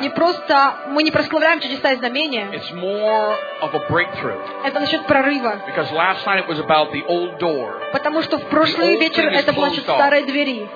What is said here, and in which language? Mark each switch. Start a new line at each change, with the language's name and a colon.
Russian: Не просто мы не прославляем чудеса и знамения.
English: It's more of a breakthrough.
Russian: Это насчет прорыва.
English: Because last night it was about the old door.
Russian: Потому что в прошлый вечер это было насчет старой двери.